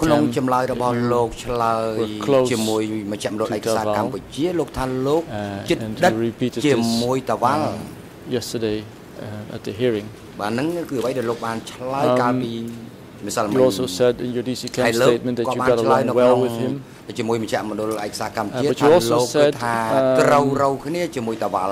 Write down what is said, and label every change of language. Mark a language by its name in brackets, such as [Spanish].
[Khmer] ក្នុងចម្លើយរបស់លោកឆ្លើយជាមួយមជ្ឈមណ្ឌលឯកសារកម្ពុជាលោកថាលោកចិត្តដិតជាមួយតាវ៉ាល់ [English] yesterday at the hearing [Khmer] បាទហ្នឹងគឺអ្វីដែលលោកបានឆ្លើយកាលពីម្សិលមិញ [English] You also said in your DC10 statement that you got along well with him [Khmer] ជាមួយមជ្ឈមណ្ឌលឯកសារកម្ពុជាថាលោកថាត្រូវរូវគ្នាជាមួយតាវ៉ាល